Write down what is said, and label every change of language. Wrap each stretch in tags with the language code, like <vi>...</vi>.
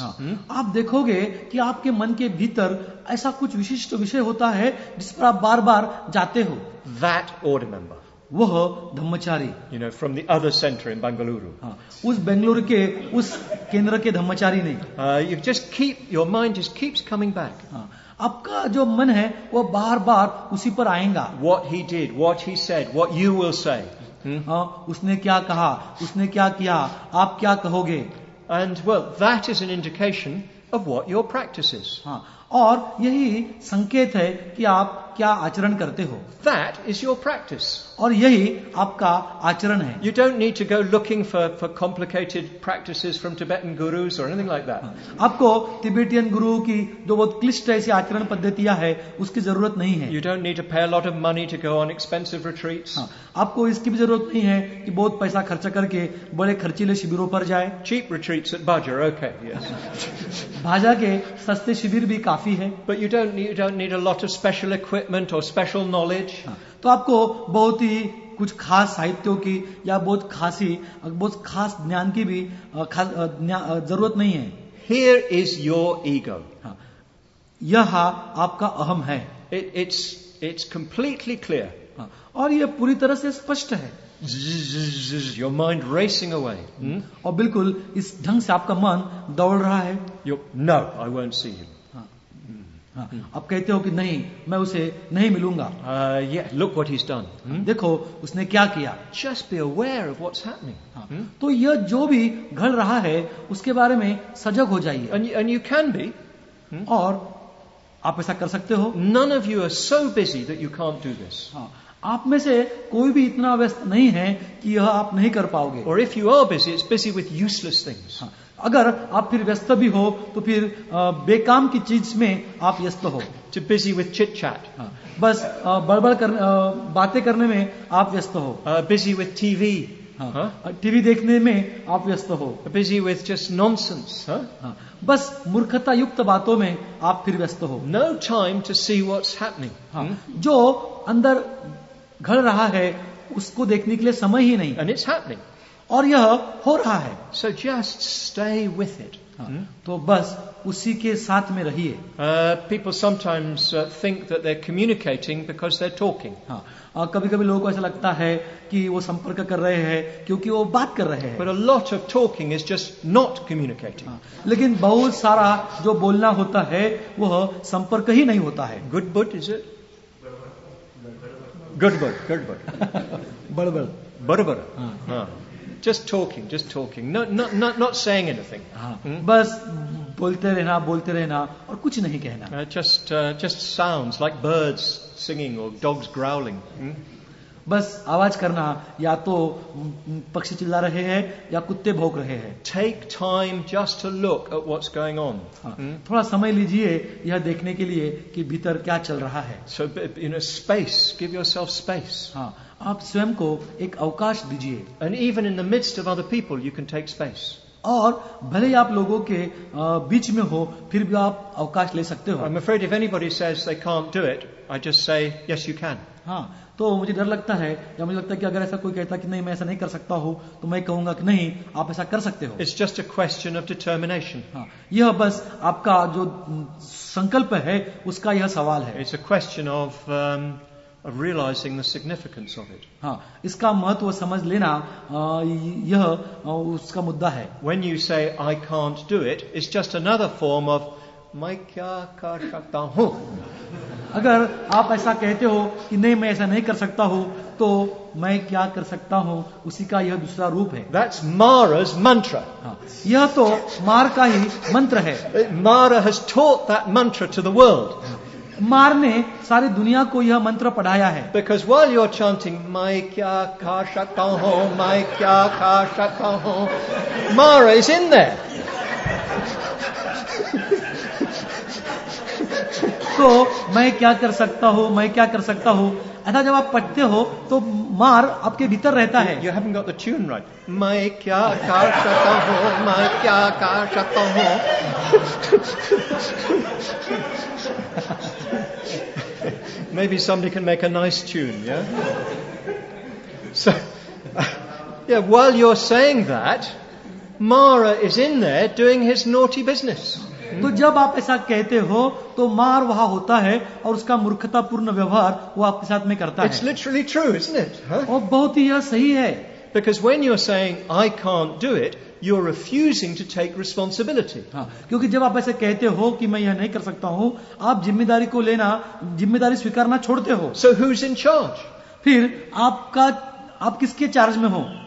<hi>आप देखोगे कि आपके मन के भीतर ऐसा कुछ विशिष्ट विषय होता है जिस पर आप बार बार जाते हो।</hi> <en>That order member.</en> <hi>वह Dhammachari.</hi> <en>You know, from the other center in Bengaluru.</en> <hi>उस बेंगलुरु के उस केंद्र के धम्मचारी नहीं।</hi> <en>You just keep your mind just keeps coming back.</en> <hi>आपका जो मन है वह बार बार उसी पर आएगा।</hi> <en>What he did, what he said, what you will say.</en> <hi>उसने क्या कहा, उसने क्या किया, आप क्या कहोगे?</hi> <en>And well, that is an indication of what your practice is.</en> <hi>और यही संकेत है कि आप क्या आचरण करते हो।</hi> <en>That is your practice.</en> <hi>और यही आपका आचरण है।</hi> <en>You don't need to go looking for complicated practices from Tibetan gurus or anything like that.</en> <hi>आपको तिब्बतीयन गुरु की जो बहुत क्लिष्ट ऐसी आचरण पद्धतियां है उसकी जरूरत नहीं है।</hi> <en>You don't need to pay a lot of money to go on expensive retreats.</en> <hi>आपको इसकी भी जरूरत नहीं है कि बहुत पैसा खर्चा करके बड़े खर्चीले शिविरों पर जाए।</hi> <en>Cheap retreats at Bajar, okay, yes.</en> <hi>भाजा के सस्ते शिविर भी काफी है।</hi> <en>But you don't need a lot of special equipment or special knowledge.</en> <hi>तो आपको बहुत ही कुछ खास साहित्यों की या बहुत खास ज्ञान की भी जरूरत नहीं है।</hi> <en>Here is your ego.</en> <hi>यह आपका अहम है।</hi> <en>It's completely clear.</en> <hi>और यह पूरी तरह से स्पष्ट है।</hi> <en>Your mind racing away.</en> <hi>और बिल्कुल इस ढंग से आपका मन दौड़ रहा है।</hi> <en>No, I won't see him.</en> <hi>आप कहते हो कि नहीं, मैं उसे नहीं मिलूंगा।</hi> <en>Yeah, look what he's done.</en> <hi>देखो उसने क्या किया।</hi> <en>Just be aware of what's happening.</en> <hi>तो यह जो भी घट रहा है उसके बारे में सजग हो जाइए।</hi> <en>And you can be.</en> <hi>और आप ऐसा कर सकते हो।</hi> <en>None of you are so busy that you can't do this.</en> <hi>आप में से कोई भी इतना व्यस्त नहीं है कि यह आप नहीं कर पाओगे।</hi> <en>Or if you are busy, it's busy with useless things.</en> <hi>अगर आप फिर व्यस्त भी हो तो फिर बेकाम की चीज में आप व्यस्त हो।</hi> <en>Too busy with chit chat.</en> <hi>बस बड़बड़ कर बातें करने में आप व्यस्त हो।</hi> <en>Busy with TV.</en> <hi>टीवी देखने में आप व्यस्त हो।</hi> <en>Busy with just nonsense.</en> <hi>बस मूर्खता युक्त बातों में आप फिर व्यस्त हो।</hi> <en>No time to see what's happening.</en> <hi>जो अंदर घट रहा है उसको देखने के लिए समय ही नहीं।</hi> <en>And it's happening.</en> <hi>और यह हो रहा है।</hi> <en>So just stay with it.</en> <hi>तो बस उसी के साथ में रहिए।</hi> <en>People sometimes think that they're communicating because they're talking.</en> <hi>कभी कभी लोगों को ऐसा लगता है कि वो संपर्क कर रहे हैं क्योंकि वो बात कर रहे हैं।</hi> <en>But a lot of talking is just not communicating.</en> <hi>लेकिन बहुत सारा जो बोलना होता है वह संपर्क ही नहीं होता है।</hi> <en>Good but is it? Good but.</en> <hi>बड़बड़। बड़बड़।</hi> <en>Just talking. Not saying anything.</en> <hi>बस बोलते रहना और कुछ नहीं कहना।</hi> <en>Just sounds like birds singing or dogs growling.</en> <hi>बस आवाज करना, या तो पक्षी चिल्ला रहे हैं या कुत्ते भौंक रहे हैं.</hi> <en>Take time just to look at what's going on.</en> <hi>थोड़ा समय लीजिए यह देखने के लिए कि भीतर क्या चल रहा है.</hi> <en>So in a space, give yourself space.</en> <hi>आप स्वयं को एक अवकाश दीजिए.</hi> <en>And even in the midst of other people, you can take space.</en> <hi>और भले ही आप लोगों के बीच में हो, फिर भी आप अवकाश ले सकते हो.</hi> <en>I'm afraid if anybody says they can't do it, I just say yes, you can.</en> <hi>हाँ, तो मुझे डर लगता है, या मुझे लगता है कि अगर ऐसा कोई कहता कि नहीं मैं ऐसा नहीं कर सकता हूँ, तो मैं कहूँगा कि नहीं, आप ऐसा कर सकते हो.</hi> <en>It's just a question of determination.</en> <hi>हाँ, यह बस आपका जो संकल्प है, उसका यह सवाल है.</hi> <en>It's a question of realizing the significance of it.</en> <hi>हाँ, इसका महत्व समझ लेना यह उसका मुद्दा है.</hi> <en>When you say I can't do it, it's just another form of</en> <hi>मैं क्या कर सकता हूँ. अगर आप ऐसा कहते हो कि नहीं मैं ऐसा नहीं कर सकता हूँ, तो मैं क्या कर सकता हूँ, उसी का यह दूसरा रूप है.</hi> <en>That's Mara's mantra.</en> <hi>यह तो मार का ही मंत्र है.</hi> <en>Mara has taught that mantra to the world.</en> <hi>मार ने सारी दुनिया को यह मंत्र पढ़ाया है.</hi> <en>Because while you're chanting,</en> <hi>मैं क्या खा सकता हूँ,</hi> <en>मैं क्या खा सकता हूँ, Mara is in there.</en> <hi>तो मैं क्या कर सकता हूँ, मैं क्या कर सकता हूँ, ऐसा जब आप पढ़ते हो तो मार आपके भीतर रहता है.</hi> <en>You haven't got the tune right.</en> <hi>मैं क्या कर सकता हूँ, मैं क्या कर सकता हूँ.</hi> <en>Maybe somebody can make a nice tune, yeah? So, yeah, while you're saying that, Mara is in there doing his naughty business.</en> <hi>तो जब आप ऐसा कहते हो तो मार वहाँ होता है और उसका मूर्खतापूर्ण व्यवहार वो आपके साथ में करता</hi> <en>है. It's literally true, isn't it?</en> <hi>और बहुत ही यह सही है.</hi> <en>Because when you're saying I can't do it, you're refusing to take responsibility.</en> <hi>क्योंकि जब आप ऐसे कहते हो कि मैं यह नहीं कर सकता हूँ, आप जिम्मेदारी को लेना, जिम्मेदारी स्वीकारना छोड़ते हो.</hi> <en>So who's in charge?</en> <hi>फिर आपका आप किसके चार्ज में हो?</hi>